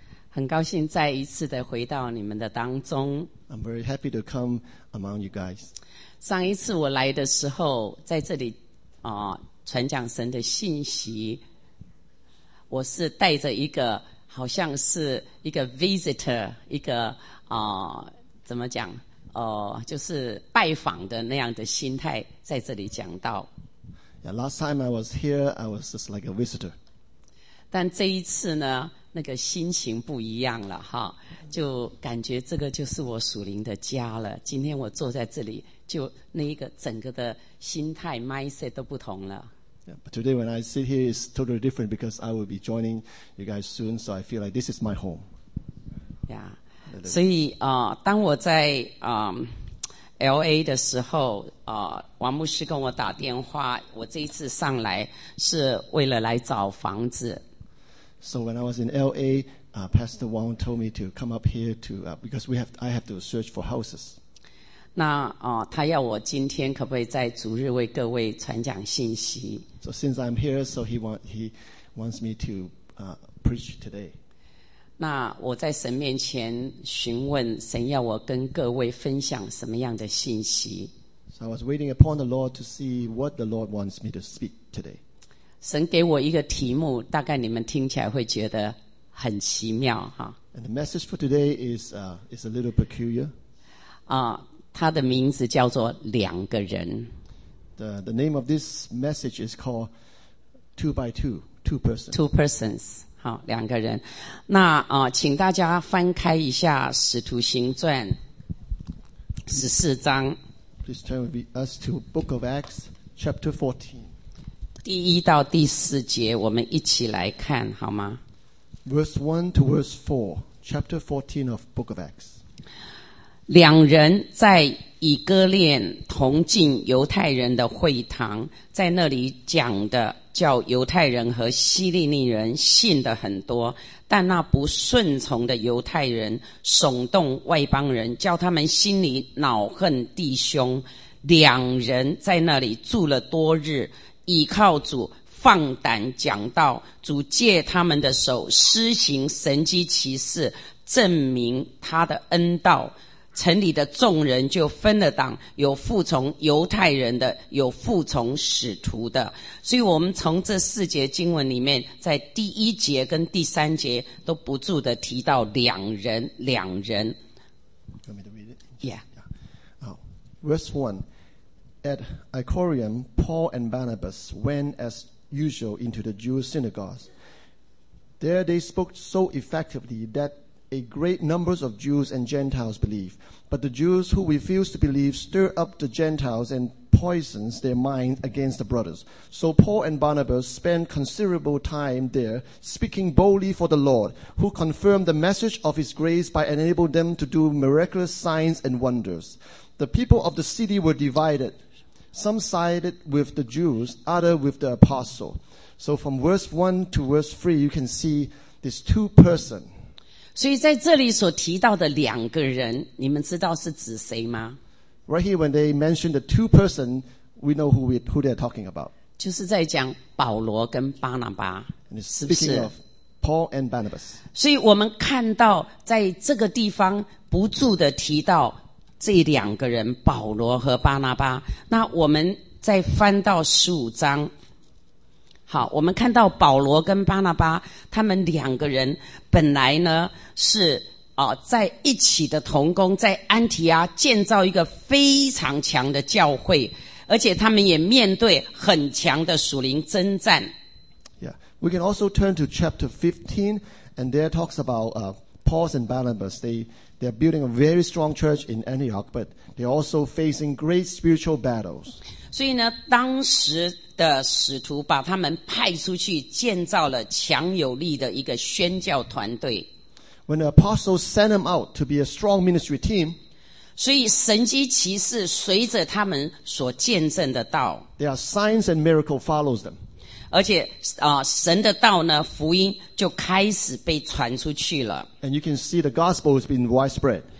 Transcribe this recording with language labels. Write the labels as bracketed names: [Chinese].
[Chinese] 很高兴再一次的回到你们的当中。 [English] I'm very happy to come among you guys. [Chinese] 上一次我来的时候，在这里传讲神的信息，我是带着一个好像是一个 visitor， 一个怎么讲就是拜访的那样的心态在这里讲道。 [English] Yeah, last time I was here, I was just like a visitor. [Chinese] 但这一次呢，那个心情不一样了哈，就感觉这个就是我属灵的家了。今天我坐在这里，就那一个整个的心态 mindset 都不同了。 [English] Yeah, but today when I sit here is totally different because I will be joining you guys soon, so I feel like this is my home. Yeah, [Chinese] 所以当我在LA 的时候，王牧师跟我打电话，我这一次上来是为了来找房子。 [English] So when I was in LA, Pastor Wong told me to come up here to because we have I have to search for houses. [Chinese] 那他要我今天可不可以在主日为各位传讲信息。 [English] So since I'm here, so he wants me to preach today. [Chinese] 那我在神面前询问神要我跟各位分享什么样的信息。 [English] So I was waiting upon the Lord to see what the Lord wants me to speak today. [Chinese] 神给我一个题目，大概你们听起来会觉得很奇妙哈。 [English] And the message for today is a little peculiar. [Chinese] 他的名字叫做两个人。 [English] The name of this message is called two by two, two persons. Two persons. [Chinese] 好，两个人。那请大家翻开一下《使徒行传》十四章。 [English] Please turn with us to Book of Acts, chapter 14. [Chinese] 第一到第四节，我们一起来看好吗 [English] ？Verse 1 to verse 4, chapter 14 of Book of Acts. [Chinese] 两人在以哥念同进犹太人的会堂，在那里讲的叫犹太人和希利尼人信的很多，但那不顺从的犹太人耸动外邦人，叫他们心里恼恨弟兄。两人在那里住了多日，倚靠主放胆讲道，主借他们的手施行神迹奇事，证明他的恩道。城里的众人就分了党，有服从犹太人的，有服从使徒的。所以我们从这四节经文里面，在第一节跟第三节都不住的提到两人，两人。 [English] You want me to read it? Yeah. Oh, verse 1. At Iconium, Paul and Barnabas went as usual into the Jewish synagogues. There they spoke so effectively thatA great number of Jews and Gentiles believe. But the Jews who refuse to believe stir up the Gentiles and poisons their mind against the brothers. So Paul and Barnabas spent considerable time there speaking boldly for the Lord, who confirmed the message of his grace by enabling them to do miraculous signs and wonders. The people of the city were divided. Some sided with the Jews, others with the apostle. So from verse 1 to verse 3, you can see these two persons. [Chinese] 所以在这里所提到的两个人，你们知道是指谁吗 [English] ？Right here, when they mention the two person, we know who they're talking about. [Chinese] 就是在讲保罗跟巴拿巴，是不是 [English] ？Speaking of Paul and Barnabas. [Chinese] 所以我们看到在这个地方不住的提到这两个人，保罗和巴拿巴。那我们再翻到十五章。好，我们看到保罗跟巴拿巴他们两个人本来呢是在一起的同工，在安提阿建造一个非常强的教会，而且他们也面对很强的属灵征战。 [English] We can also turn to chapter 15, and there talks about Paul and Barnabas. They are building a very strong church in Antioch, but they are also facing great spiritual battles. [Chinese] 所以呢，当时的使徒把他们派出去建造了强有力的一个宣教团队。 [English] When the apostles sent them out to be a strong ministry team, [Chinese] 所以神迹奇事随着他们所见证的道。 [English] There are signs and miracles follows them. [Chinese] 而且神的道呢，福音就开始被传出去了。 [English] And you can see the gospel has been widespread.